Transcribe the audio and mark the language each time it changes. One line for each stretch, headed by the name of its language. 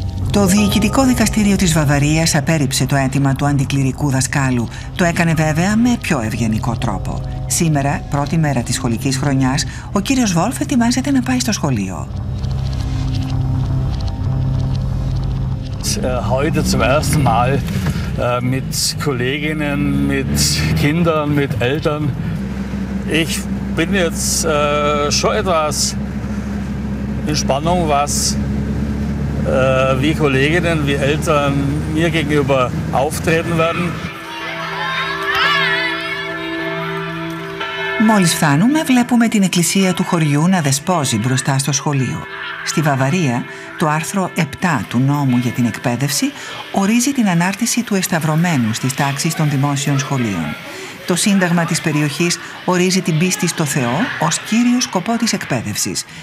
Greek: Το διοικητικό δικαστήριο της Βαβαρίας απέρριψε το αίτημα του αντικληρικού δασκάλου. Το έκανε βέβαια με πιο ευγενικό τρόπο. Σήμερα, πρώτη μέρα της σχολικής χρονιάς, ο κύριος Βόλφ ετοιμάζεται να πάει στο σχολείο.
German: Heute zum ersten Mal mit Kolleginnen, mit Kindern, mit Eltern. Ich bin jetzt schon etwas in Spannung, was wie Kolleginnen, wie Eltern mir gegenüber auftreten werden.
Greek: Μόλις φτάνουμε, βλέπουμε την εκκλησία του χωριού να δεσπόζει μπροστά στο σχολείο. Στη Βαβαρία, το άρθρο 7 του νόμου για την εκπαίδευση ορίζει την ανάρτηση του εσταυρωμένου στις τάξεις των δημόσιων σχολείων. Το σύνταγμα της περιοχής ορίζει την πίστη στο Θεό ως κύριο σκοπό της εκπαίδευσης.